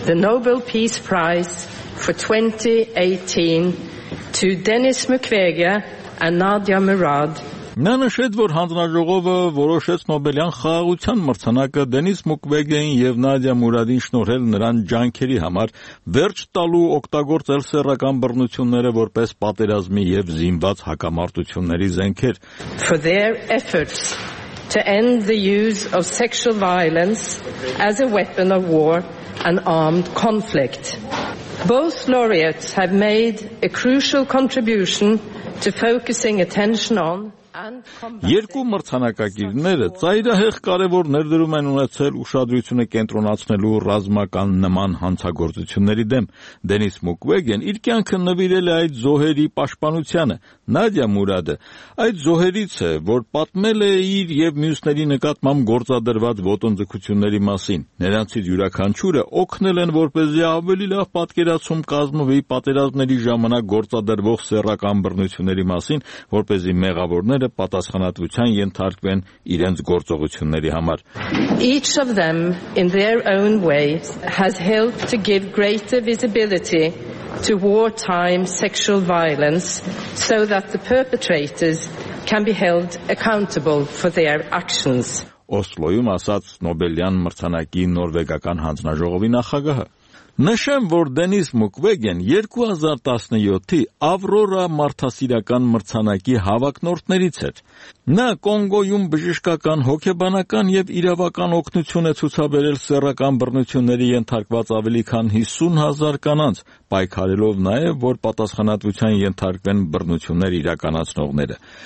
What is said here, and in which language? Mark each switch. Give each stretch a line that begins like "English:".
English: The Nobel Peace Prize for 2018 to Denis Mukwege and Nadia Murad.
Armenian: Նա նշեց, որ հանձնաժողովը որոշեց Նոբելյան խաղաղության մրցանակը Դենիս Մուկվեգեին և Նադիա Մուրադին շնորհել նրան ջանքերի համար, վերջ տալու օգտագործել սեռական բռնությունները որպես պատերազմի և զինված հակամարտությունների զենքեր.
English: For their efforts to end the use of sexual violence as a weapon of war and armed conflict. Both laureates have made a crucial contribution to focusing attention on
Armenian: Երկու մրցանակակիրները ծայրահեղ կարևոր ներդրում են ունեցել ուշադրությունը կենտրոնացնելու ռազմական նման հանցագործությունների դեմ։ Դենիս Մուկվեգեն իր կյանքը նվիրել է այդ զոհերի պաշտպանությանը, Նադիա Մուրադը այդ զոհերից է, որ պատմել է իր և մյուսների նկատմամբ գործադրված ոտնձգությունների մասին, նրանցից յուրաքանչյուրը օգնել են, որպեսզի ավելի լավ պատկերացում կազմվի պատերազմների ժամանակ գործադրվող սեռական բռնությունների մասին, որպեսզի մեղավորներ պատասխանատվության ենթարկվեն իրենց գործողությունների համար։
English: Each of them in their own way has helped to give greater visibility to wartime sexual violence so that the perpetrators can be held accountable for their actions։
Armenian: Օսլոյում ասաց Նոբելյան մրցանակի նորվեգական հանձնաժողովի նախագահը։ Նշեմ, որ Դենիս Մուկվեգեն 2017-ի Ավրորա մարդասիրական մրցանակի հավակնորդներից էր։ Նա Կոնգոյում բժշկական, հոգեբանական և իրավական օգնություն է ցուցաբերել սեռական բռնությունների ենթարկված ավելի քան 50,000 կանանց, պայքարելով նաև, որ պատասխանատվության ենթարկվեն բռնություններ իրականացնողները։